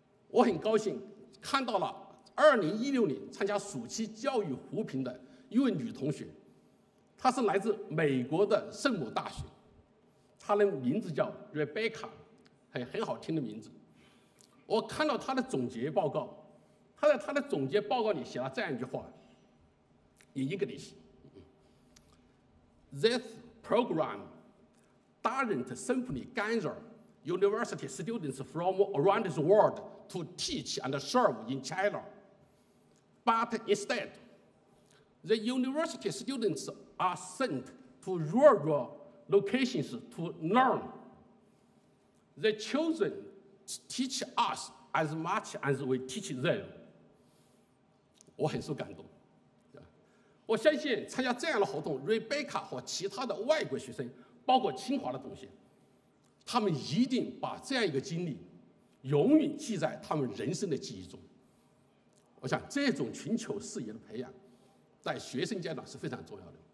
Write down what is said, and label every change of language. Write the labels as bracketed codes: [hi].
[zh] 我很高兴看到了2016年参加暑期教育扶贫的一位女同学，她是来自美国的圣母大学，她的名字叫 Rebecca， 很好听的名字。我看到她的总结报告，她在她的总结报告里写了这样一句话，也一个例子。 [en] This program doesn't simply gather university students from around the world to teach and serve in China, but instead, the university students are sent to rural locations to learn. The children teach us as much as we teach them. [zh] 我很受感动。我相信参加这样的活动 ，Rebecca 和其他的外国学生，包括清华的同学，他们一定把这样一个经历永远记在他们人生的记忆中。我想这种全球视野的培养在学生阶段是非常重要的。